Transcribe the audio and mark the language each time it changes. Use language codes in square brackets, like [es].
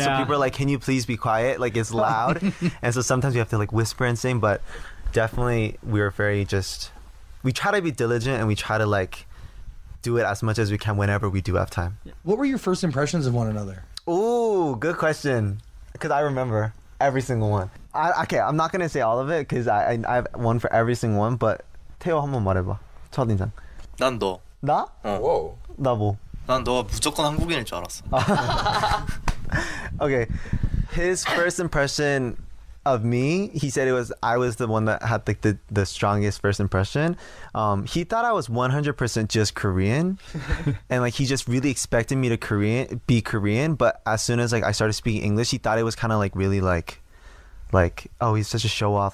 [en] So people are like, can you please be quiet, like it's loud. And so sometimes we have to like whisper and sing, but definitely we're very just we try to be diligent and we try to like do it as much as we can whenever we do have time. What were your first impressions of one another? Ooh, good question, because I remember every single one. Okay, I'm not gonna say all of it because I have one for every single one. [ko] But 태호 한번 말해봐. 첫인상. 난 너. 나? 어. 오. 나 뭐? 난 너가 무조건 한국인일 줄 알았어. [en] Okay, his first impression of me, he said it was, I was the one that had like the strongest first impression. He thought I was 100% just Korean. And like, he just really expected me to be Korean. But as soon as like I started speaking English, he thought it was kind of like really like, oh, he's such a show off.